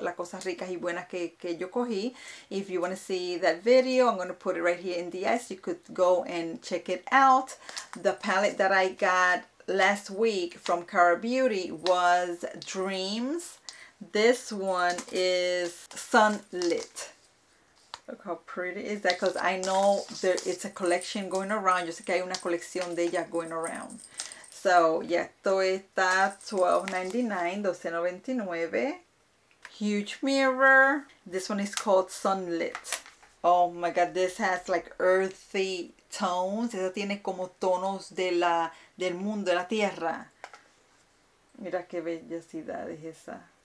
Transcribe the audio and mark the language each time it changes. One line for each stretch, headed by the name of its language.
Spanish: Las cosas ricas y buenas que yo cogí.
English: If you want to see that video, I'm going to put it right here in the eyes. You could go and check it out. The palette that I got last week from Cara Beauty was Dreams. This one is Sunlit. Look how pretty is that, because I know there it's a collection going around.
Spanish: Yo sé que hay una colección de ellas
English: going around. So yeah,
Spanish: esto está $12.99.
English: Huge mirror. This one is called Sunlit. Oh my god, this has like earthy tones.
Spanish: Esa tiene como tonos de la del mundo, de la tierra. Mira qué bellosidad es esa.